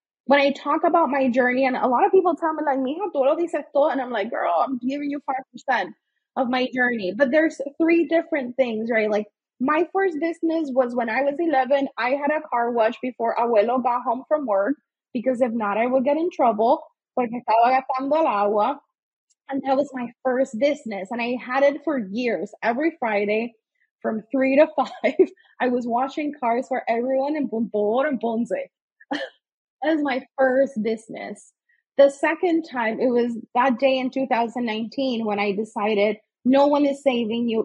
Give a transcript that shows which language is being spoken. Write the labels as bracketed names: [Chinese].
[English] When I talk about my journey, and a lot of people tell me like, [Spanish] mija, tú lo dices todo. [English] And I'm like, girl, I'm giving you 5% of my journey. But there's 3 different things, right? Like my first business was when I was 11. I had a car wash before abuelo got home from work, because if not, I would get in trouble. [Spanish] Porque estaba gastando el agua. [English] And that was my first business. And I had it for years. Every Friday from 3 to 5, I was washing cars for everyone in Bumbor and Ponce. As my first business. The second time, it was that day in 2019 when I decided no one is saving you.